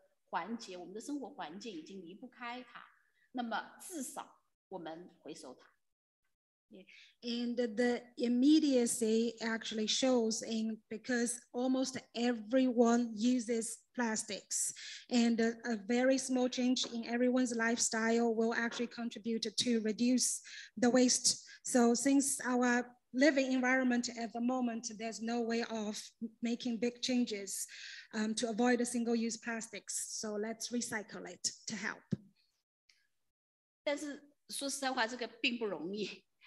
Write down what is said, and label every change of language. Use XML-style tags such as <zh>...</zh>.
<zh>我们每个人都在使用它，我们几乎每个人它在我们生活的每一个边上，每一个人习惯的一个小的改变，它都可以为减少这个塑料垃圾做出贡献。我们知道说我们在生活中的环节，我们的生活环境已经离不开它，那么至少我们回收它。</zh> <en>And the immediacy actually shows in because almost everyone uses plastics, and a very small change in everyone's lifestyle will actually contribute to reduce the waste. So since our living environment at the moment, there's no way of making big changes to avoid the single-use plastics. So let's recycle it to help.</en> <zh>但是说实在话，这个并不容易。</zh>